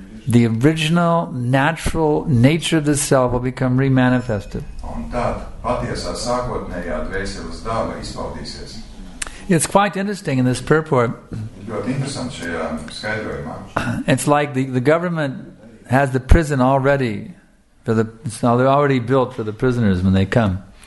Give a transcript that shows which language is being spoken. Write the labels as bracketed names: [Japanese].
[English] The original natural nature of the self will become remanifested. [Latvian] Un tad patiesā sākotnējā dvēseles dāva izpaudīsies. [English] It's quite interesting in this purport. [Latvian] Ļoti interesanti šajā skaidrojumā. [English] It's like the government has the prison already for the, so they're already built for the prisoners when they come.